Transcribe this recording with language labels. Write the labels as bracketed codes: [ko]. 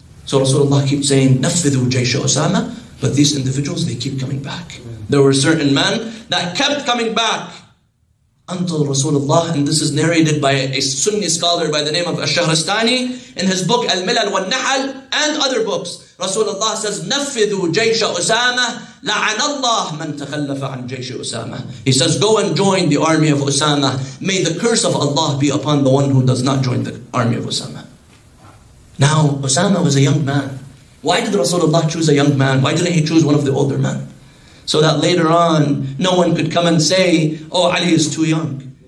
[en] So Rasulullah keeps saying, [ar] نَفِّذُوا جَيْشَ [en] Usama. But these individuals, they keep coming back. There were certain men that kept coming back until Rasulullah, and this is narrated by a Sunni scholar by the name of Ash-Shahristani in his book Al-Milal wal-Nahal and other books. [ar] Rasulullah says, نَفِّذُوا جَيْشَ أُسَامَة لَعَنَ اللَّهُ مَنْ تَخَلَّفَ عَنْ جَيْشِ أُسَامَة. [en] He says, go and join the army of Usama. May the curse of Allah be upon the one who does not join the army of Usama. Now, Usama was a young man. Why did Rasulullah choose a young man? Why didn't he choose one of the older men? So that later on, no one could come and say, oh, Ali is too young.